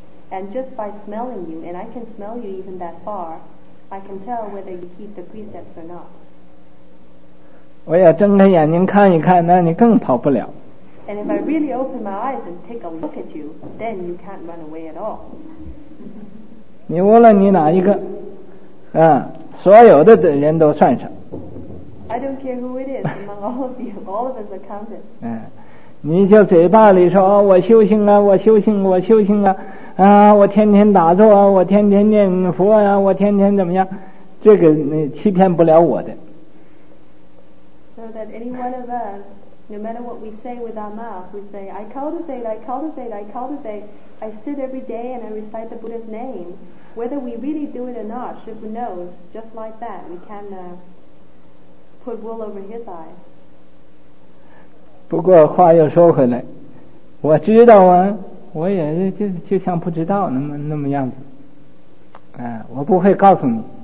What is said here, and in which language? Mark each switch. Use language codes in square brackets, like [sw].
[en] And just by smelling you, and I can smell you even that far, I can tell whether you keep the precepts or not. [zh] 我要睁开眼睛看一看，那你更跑不了。 [en] And if I really open my eyes and take a look at you, then you can't run away at all. [zh] 你无论你哪一个，啊，所有的人都算上。 [en] I don't care who it is among all of you. All of us are counted. [zh] 你就嘴巴里说，哦，我修行啊，我修行，我修行啊，啊，我天天打坐啊，我天天念佛啊，我天天怎么样？这个你欺骗不了我的。 [en] So that any one of us, no matter what we say with our mouth, we say, I cultivate, I cultivate, I cultivate, I sit every day and I recite the Buddha's name. Whether we really do it or not, Shifu knows, just like that, we can, put wool over his eyes. [zh] 不过话又说回来，我知道啊，我也就像不知道那么样子，啊，我不会告诉你。